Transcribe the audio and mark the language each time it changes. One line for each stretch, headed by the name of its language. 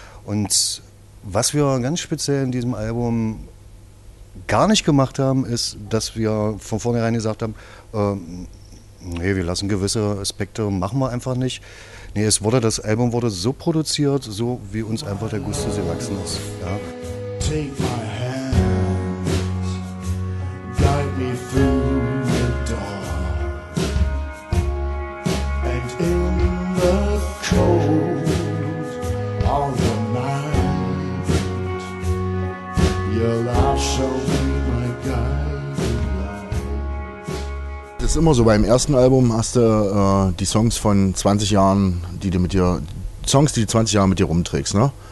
German: Und was wir ganz speziell in diesem Album gar nicht gemacht haben, ist, dass wir von vornherein gesagt haben, nee, wir lassen gewisse Aspekte, machen wir einfach nicht. Nee, das Album wurde so produziert, so wie uns einfach der Gustus gewachsen ist. Ja.
English: Take my hand, guide me through the dawn. And in the cold of the night, your love shall be my guiding light.
German: Das ist immer so, beim ersten Album hast du die Songs von 20 Jahren, die du 20 Jahre mit dir rumträgst, ne?